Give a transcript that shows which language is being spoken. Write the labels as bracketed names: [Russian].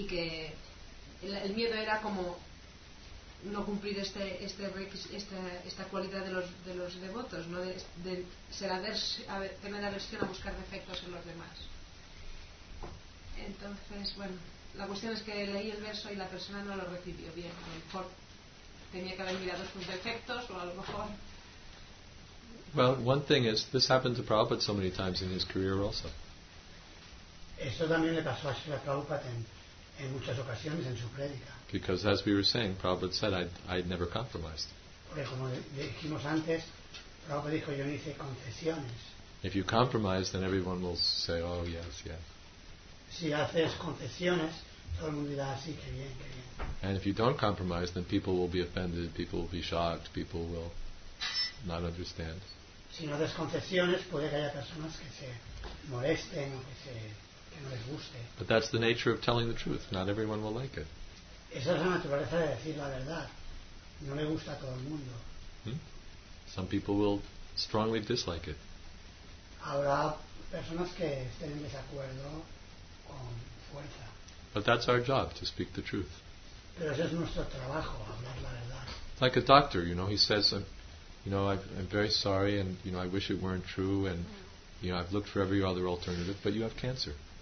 [Spanish] Y que el miedo era como no cumplir esta cualidad de los devotos, ¿no? De ser tener aversión a buscar defectos en los demás. Entonces, bueno, la cuestión es que leí el verso y la persona no lo recibió bien. A lo mejor tenía que haber mirado sus defectos, o a lo mejor... [English] Well, one thing is, this happened to Prabhupada so many times in his career also. [Spanish] Esto también le pasó a Srila Prabhupada en muchas ocasiones en su prédica. [English] Because as we were saying, Prabhupada said, I'd never compromised. [Spanish] Porque como dijimos antes, Prabhupada dijo, yo no hice concesiones. [English] If you compromise, then everyone will say, oh, yes, yes. [Spanish] Si haces concesiones, todo el mundo dirá, sí, qué bien, qué bien. [English] And if you don't compromise, then people will be offended, people will be shocked, people will not understand. [Spanish] Si no haces concesiones, puede que haya personas que se molesten o que no les guste. [English] But that's the nature of telling the truth. Not everyone will like it. [Spanish] Esa es la naturaleza de decir la verdad. No le gusta a todo el mundo. [English] Some people will strongly dislike it. [Spanish] Habrá personas que estén en desacuerdo con fuerza. [English] But that's our job, to speak the truth. [Spanish] Pero ese es nuestro trabajo, hablar la verdad. [English] Like a doctor, you know, he says, you know, I'm very sorry, and you know, I wish it weren't true, and you know, I've looked for every other alternative, but you have cancer.